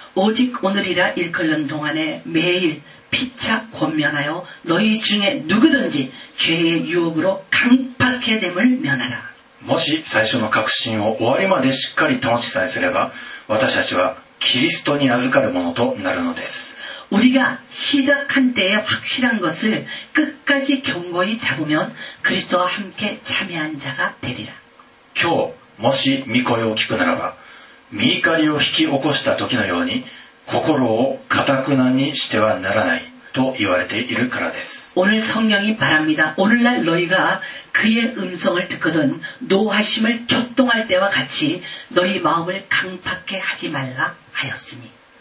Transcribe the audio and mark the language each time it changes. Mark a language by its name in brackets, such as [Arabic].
[Korean] 오직오늘이라일컬는동안에매일피차권면하여너희중에누구든지죄의유혹으로강박해됨을면하라 [Japanese] もし最初の確信を終わりまでしっかり保ちさえすれば私たちはキリストに預かるものとなるのです。 [Korean] 우리가시작한때에확실한것을끝까지견고히잡으면그리스도와함께참여한자가되리라 [Japanese] 今日もし御声を聞くならば御怒りを引き起こした時のように心を堅くなにしてはならないと言われているからです。 [Korean] 오늘성령이바랍니다오늘날너희가그의음성을듣거든노하심을교통할때와같이너희마음을강팍해하지말라하였으니